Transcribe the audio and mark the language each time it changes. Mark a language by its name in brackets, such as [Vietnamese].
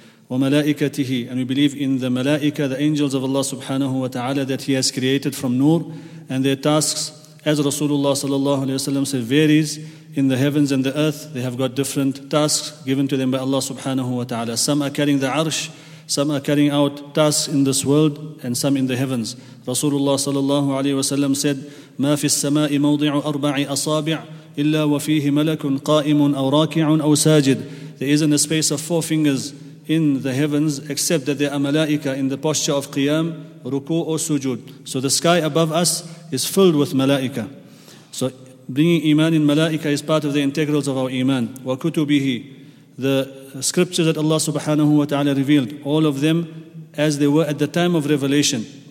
[English] وملائكته, and we believe in the malaika, the angels of Allah subhanahu wa ta'ala, that He has created from nur, and their tasks, as Rasulullah sallallahu alayhi wa sallam said, varies in the heavens and the earth. They have got different tasks given to them by Allah subhanahu wa ta'ala. Some are carrying the arsh, some are carrying out tasks in this world, and some in the heavens. [Arabic] Rasulullah sallallahu alayhi wa sallam said, ما في السماء موضع أربع أصابع إلا وفيه ملك قائم أو راكع أو ساجد. [English] There isn't a space of four fingers in the heavens, except that there are malaika in the posture of qiyam, ruku, or sujood. So the sky above us is filled with malaika. So bringing iman in malaika is part of the integrals of our iman. Wa kutubihi, the scriptures that Allah subhanahu wa ta'ala revealed, all of them as they were at the time of revelation.